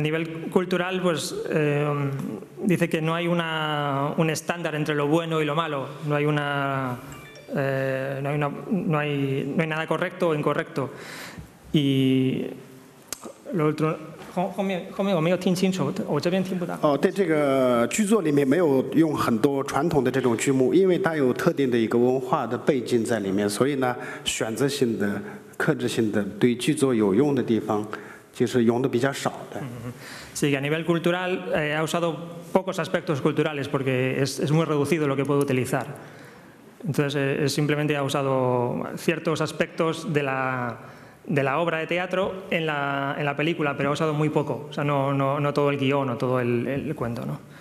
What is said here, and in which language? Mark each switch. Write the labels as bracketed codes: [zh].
[es] nivel cultural, pues dice que no hay un estándar entre lo bueno y lo malo, no hay nada correcto o incorrecto. Y lo otro. [zh] 后面我没有听清楚，我这边听不到。哦，在这个剧作里面没有用很多传统的这种剧目，因为它有特定的一个文化的背景在里面，所以呢，选择性的、克制性的对剧作有用的地方，其实用的比较少的。Sí, [es] a nivel cultural ha usado pocos aspectos culturales porque es muy reducido lo que puedo utilizar. Entonces simplemente ha usado ciertos aspectos de la obra de teatro en la película, pero ha usado muy poco, o sea, no todo el guión o todo el cuento, ¿no?